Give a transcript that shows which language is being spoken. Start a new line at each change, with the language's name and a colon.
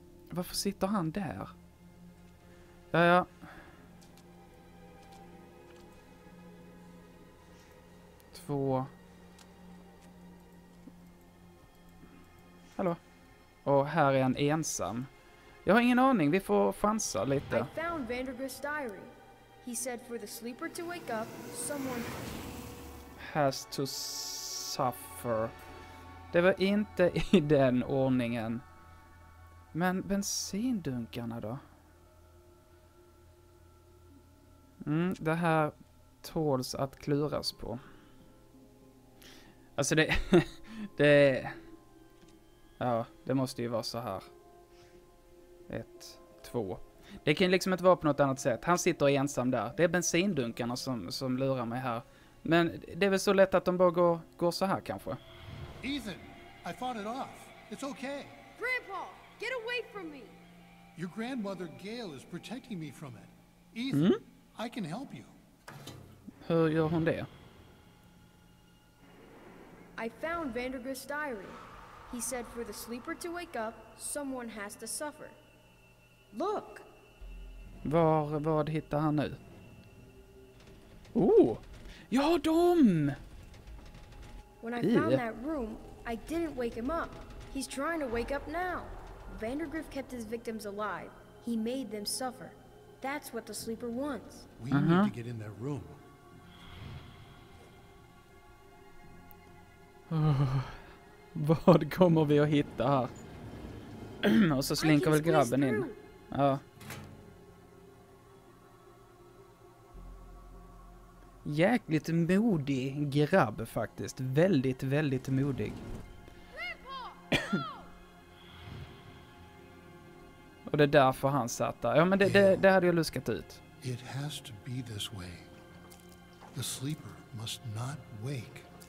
Swedish: Varför sitter han där? Ja. Två. Hallå. Och här är en ensam. Jag har ingen aning. Vi får chansa lite.
English: I found Vandergrift's diary. He said for the sleeper to wake up, someone has to suffer.
Swedish: Det var inte i den ordningen. Men bensindunkarna då? Det här tåls att kluras på. Alltså det är... Ja, det måste ju vara så här. 1, 2. Det kan ju liksom inte vara på något annat sätt. Han sitter ensam där. Det är bensindunkarna som lurar mig här. Men det är väl så lätt att de bara går så här kanske.
English: Ethan, I fought it off. It's okay. Grandpa, get away from me. Your grandmother Gail is protecting me from it. Ethan, I can help you.
Swedish: Hur gör hon det?
English: I found Vandergrift's diary. He said for the sleeper to wake up, someone has to suffer. Look.
Swedish: Vad hittar han nu? Oh. Ja, dom.
English: When I found that room, I didn't wake him up. He's trying to wake up now. Vandergrift kept his victims alive. He made them suffer. That's what the sleeper wants. We need to get in that room.
Swedish: Vad kommer vi att hitta här? Och så slinker väl grabben in. Ja. Jäkligt modig grabb faktiskt. Väldigt, väldigt modig. Och det är därför han satt där. Ja, men det hade jag luskat ut.
English: It has to be this way. The sleeper must not wake.